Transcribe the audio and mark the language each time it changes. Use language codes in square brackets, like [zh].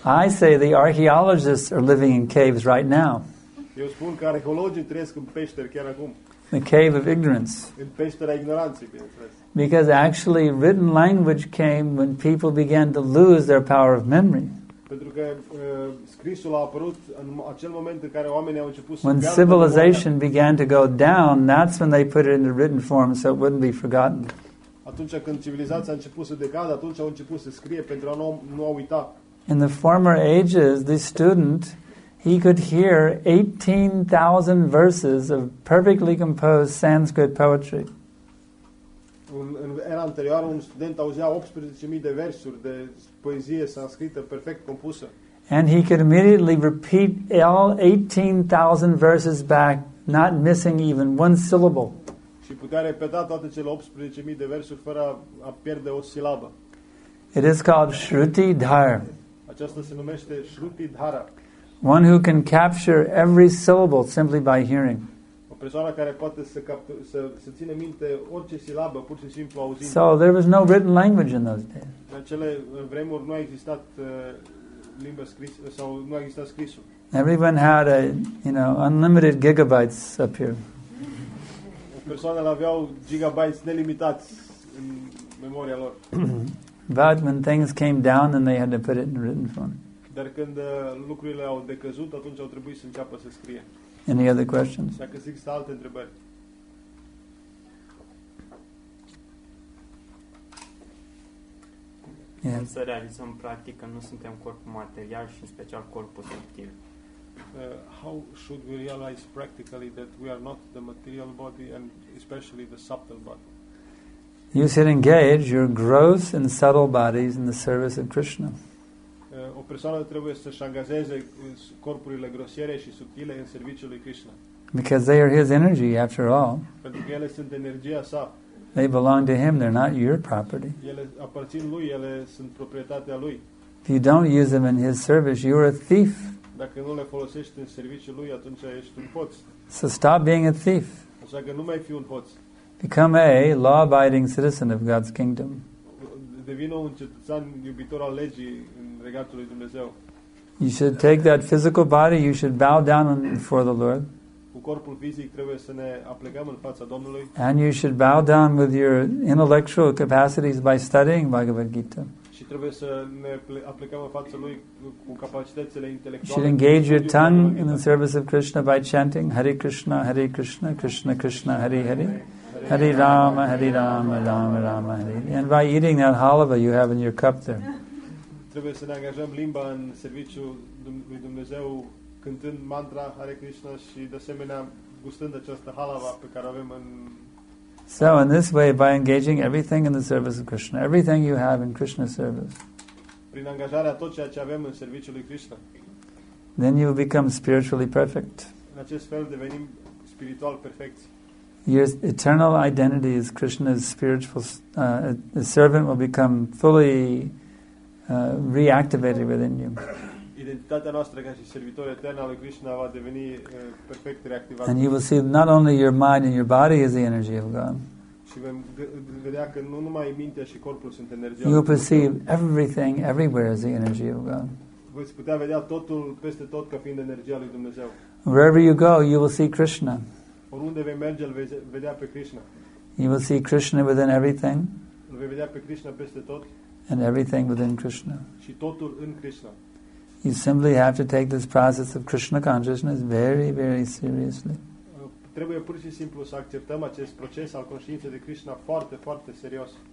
[en] I say the archaeologists are living in caves right now. [ro] Eu spun că arheologii trăiesc în peșteri chiar acum. [en] The cave of ignorance. [ro] În peștera ignoranței, bineînțeles. [en] Because actually written language came when people began to lose their power of memory. [ro] Pentru că scrisul a apărut în acel moment în care oamenii au început să [en] When civilization began to go down, that's when they put it into written form so it wouldn't be forgotten. [ro] Atunci când civilizația a început să decadă, atunci au început să scrie pentru a nu a uita. [en] In the former ages, the student, he could hear 18,000 verses of perfectly composed Sanskrit poetry. [ro] În era anterior, un student auzea 18,000 de versuri de poezie sanscrită perfect compusă. [en] And he could immediately repeat all 18,000 verses back, not missing even one syllable. [ro] Și putea repeta toate cele 18,000 de versuri fără a pierde o silabă. [en] It is called Shruti Dhara. [ro] Aceasta se numește Shruti Dhara. [en] One who can capture every syllable simply by hearing. [ro] O persoană care poate să țină minte orice silabă pur și simplu auzind. [en] So there was no written language in those days. [ro] În acele vremuri nu a existat limba scrisă sau nu a existat scrisul. [en] Everyone had a, you know, unlimited gigabytes up here. [ro] Persoanele aveau gigabytes nelimitați în memoria lor. [en] But when things came down and they had to put it in written form. [ro] Dar când lucrurile au decăzut, atunci au trebuit să înceapă să scrie. [en] Any other questions? [ro] Dacă există alte întrebări. [en] Yeah. [ro] Să realizăm practic că nu suntem corpul material și în special corpul subtil. [en] How should we realize practically that we are not the material body and especially the subtle body? You should engage your gross and subtle bodies in the service of Krishna. [ro] O persoană trebuie să-și angajeze corpurile grosiere și subtile în serviciul lui Krishna. [en] Because they are his energy, after all. [ro] Pentru că ele sunt energia sa. [en] They belong to him, they're not your property. [ro] Ele aparțin lui, ele sunt proprietatea lui. [en] If you don't use them in his service, you're a thief. [ro] Dacă nu le folosești în serviciul lui, atunci ești un hoț. [en] So stop being a thief. [ro] Așa că nu mai fii un hoț. [en] Become a law-abiding citizen of God's kingdom. [ro] Devină un cetățean iubitor al legii în regatul lui Dumnezeu. [en] You should take that physical body, you should bow down before the Lord. [ro] Cu corpul fizic trebuie să ne aplecăm în fața Domnului. [en] And you should bow down with your intellectual capacities by studying Bhagavad Gita. [ro] Și trebuie să ne aplecăm în fața lui cu capacitățile intelectuale. [en] You should engage your tongue in the service of Krishna by chanting Hare Krishna, Hare Krishna, Krishna Krishna, Hare Hare. Hare Rama, Hare Rama, Rama Rama, Hare. And by eating that halva you have in your cup there. [ro] Trebuie să ne angajăm limba în serviciu lui Dumnezeu cântând mantra Hare Krishna și de asemenea gustând această halva pe care avem în. [en] So in this way, by engaging everything in the service of Krishna, everything you have in Krishna's service. [ro] Prin angajarea tot ceea ce avem în serviciul lui Krishna. [en] Then you become spiritually perfect. [ro] În acest fel devenim spiritual perfect. [en] Your eternal identity is Krishna's spiritual the servant will become fully reactivated within you. [ro] Identitatea noastră ca și servitor etern al lui Krishna va deveni perfect reactivată. [en] And you will see not only your mind and your body is the energy of God. [ro] Și vom vedea că nu numai mintea și corpul sunt energia. [en] You will perceive everything everywhere is the energy of God. [ro] Veți putea vedea totul peste tot ca fiind energia lui Dumnezeu. [en] Wherever you go, you will see Krishna. [ro] Oriunde vei merge, îl vei vedea pe Krishna. [en] You will see Krishna within everything. [ro] Îl vei vedea pe Krishna peste tot. [en] And everything within Krishna. [ro] Și totul în Krishna. [en] You simply have to take this process of Krishna consciousness very, very seriously. [ro] Trebuie pur și simplu să acceptăm acest proces al conștiinței de Krishna foarte, foarte serios.